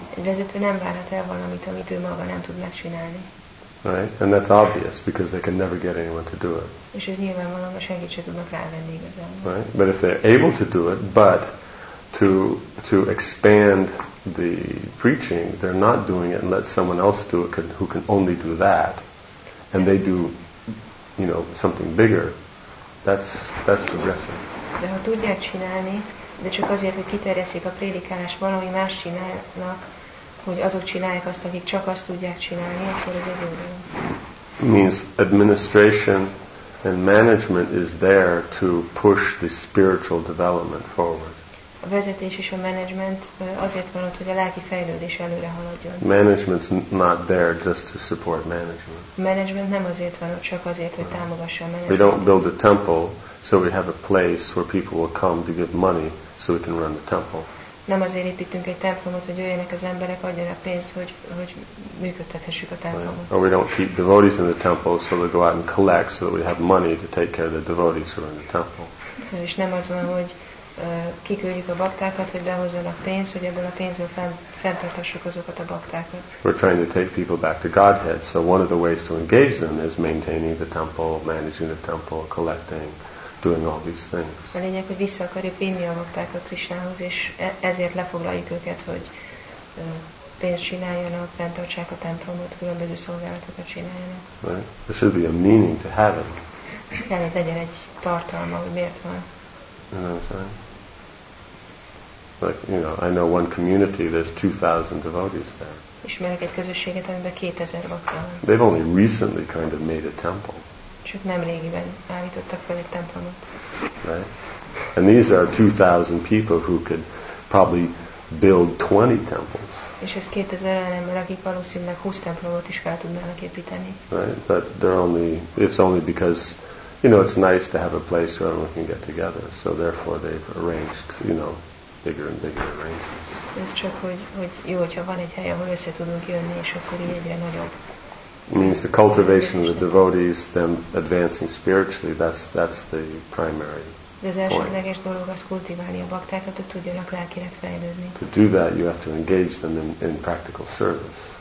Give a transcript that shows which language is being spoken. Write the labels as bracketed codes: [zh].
[hu] Egy vezető nem várhat el valamit, amit ő maga nem tud megcsinálni. [en] Right, and that's obvious because they can never get anyone to do it. [hu] És ez nyilvánvalóan, hogy senkit sem tudnak rávenni igazából. [en] Right, but if they're able to do it, but to expand the preaching, they're not doing it and let someone else do it who can only do that, and they do, you know, something bigger. That's progressive. [hu] De ha tudják csinálni, de csak azért, hogy kiterjesszék a prédikálást, valami más csinálnak. Hogy azok csinálják azt, akik csak azt tudják csinálni, akkor ez egy jó dolog. [en] Means administration and management is there to push the spiritual development forward. [hu] A vezetés és a management azért van ott, hogy a lelki fejlődés előre haladjon. [en] Management's not there just to support management. [hu] Management nem azért van ott, csak azért, hogy támogassa a management. [en] We don't build a temple so we have a place where people will come to give money so we can run the temple. [hu] Nem azért építünk egy templomot, hogy jöjjenek az emberek, adjanak pénzt, hogy működtethessük a templomot. [en] Or we don't keep devotees in the temple, so they go out and collect, so that we have money to take care of the devotees who are in the temple. [hu] És nem az van, hogy kiküldjük a baktákat, hogy behozzanak pénzt, hogy ebből a pénzből fenntartassuk azokat a baktákat. [en] We're trying to take people back to Godhead, so one of the ways to engage them is maintaining the temple, managing the temple, collecting, doing all these things. [hu] A lényeg, hogy vissza akarjuk vinni a baktákat Krisnához, és ezért lefoglaljuk őket, hogy pénzt csináljanak, fenntartsák a templomot, különböző szolgálatokat csináljanak. [en] Right. There should be a meaning to have it. [hu] Kell legyen egy tartalma, hogy miért van. [en] You know what I'm saying? Like, you know, I know one community, there's 2,000 devotees there. [hu] Ismerek egy közösséget, amiben 2,000 bakta van. [en] They've only recently kind of made a temple. [hu] Csak nemrégiben állítottak fel egy templomot. [en] Right? And these are 2,000 people who could probably build 20 temples. [hu] És ez 2,000 ember, akik valószínűleg 20 templomot is fel tudnának építeni. [en] Right? But they're only, it's only because, you know, it's nice to have a place where everyone can get together. So therefore they've arranged, you know, bigger and bigger arrangements. [hu] Ez csak, hogy jó, hogyha van egy hely, ahol össze tudunk jönni, és akkor egyre nagyobb. [en] It means the cultivation of the devotees, them advancing spiritually, that's the primary point. [hu] De az elsődleges dolog az kultiválni a baktákat, hogy tudjanak lelkileg fejlődni. [en] To do that, you have to engage them in practical service.